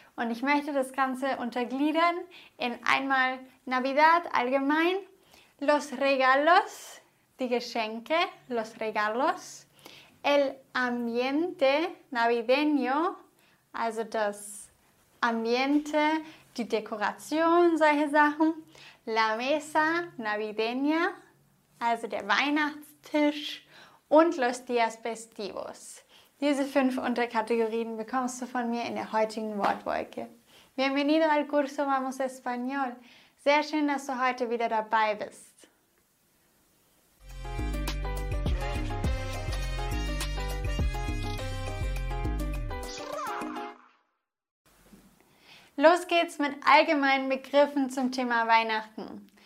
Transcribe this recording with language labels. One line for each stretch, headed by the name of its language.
German: Und ich möchte das Ganze untergliedern in einmal Navidad allgemein,
Spanish: los regalos,
German: die Geschenke, los regalos,
Spanish: el ambiente navideño,
German: also das Ambiente, die Dekoration, solche Sachen,
Spanish: la mesa navideña,
German: also der Weihnachtstisch, und
Spanish: los días festivos.
German: Diese fünf Unterkategorien bekommst du von mir in der heutigen Wortwolke.
Spanish: Bienvenido al curso Vamos Español.
German: Sehr schön, dass du heute wieder dabei bist. Los geht's mit allgemeinen Begriffen zum Thema Weihnachten.